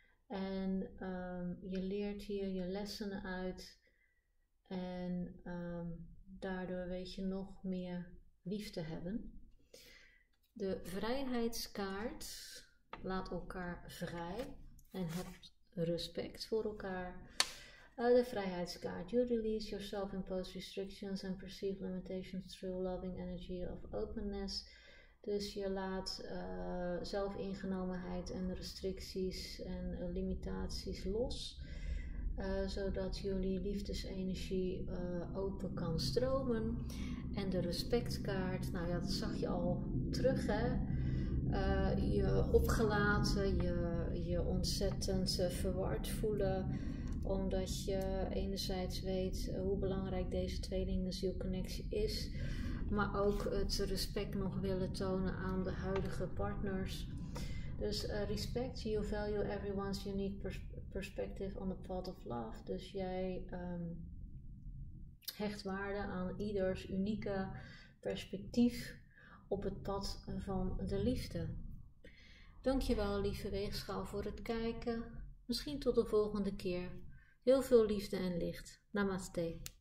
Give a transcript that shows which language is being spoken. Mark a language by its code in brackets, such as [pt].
[nl] En je leert hier je lessen uit. En daardoor weet je nog meer lief te hebben. De vrijheidskaart. Laat elkaar vrij. En heb respect voor elkaar. De vrijheidskaart. [en] You release yourself imposed restrictions and perceive limitations through loving energy of openness. [nl] Dus je laat zelfingenomenheid en restricties en limitaties los. Zodat jullie liefdesenergie open kan stromen. En de respectkaart, nou ja, dat zag je al terug, hè. Je opgelaten, je ontzettend verward voelen. Omdat je enerzijds weet hoe belangrijk deze tweelingenzielconnectie is. Maar ook het respect nog willen tonen aan de huidige partners. Dus respect, [en] you value everyone's unique perspective on the path of love. [nl] Dus jij hecht waarde aan ieders unieke perspectief op het pad van de liefde. Dankjewel lieve weegschaal voor het kijken. Misschien tot de volgende keer. Heel veel liefde en licht. Namaste.